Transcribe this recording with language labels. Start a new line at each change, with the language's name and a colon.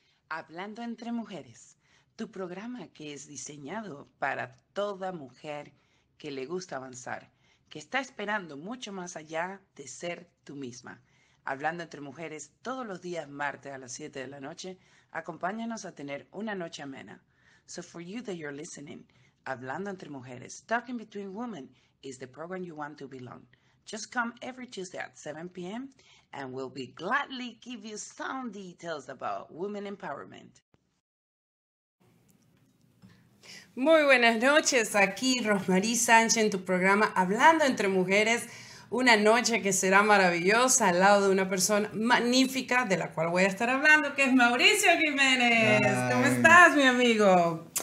Spanish: Hablando entre mujeres, tu programa que es diseñado para toda mujer que le gusta avanzar, que está esperando mucho más allá de ser tú misma. Hablando entre mujeres, todos los días martes a las 7 de la noche, acompáñanos a tener una noche amena.
English: So for you that you're listening, Hablando entre mujeres, Talking Between Women is the program you want to belong. Just come every Tuesday at 7 p.m. and we'll be gladly give you some details about women empowerment.
Spanish: Muy buenas noches, aquí Rosmarie Sánchez en tu programa Hablando entre Mujeres, una noche que será maravillosa al lado de una persona magnífica de la cual voy a estar hablando, que es Mauricio Jiménez. Ay, ¿cómo estás, mi amigo?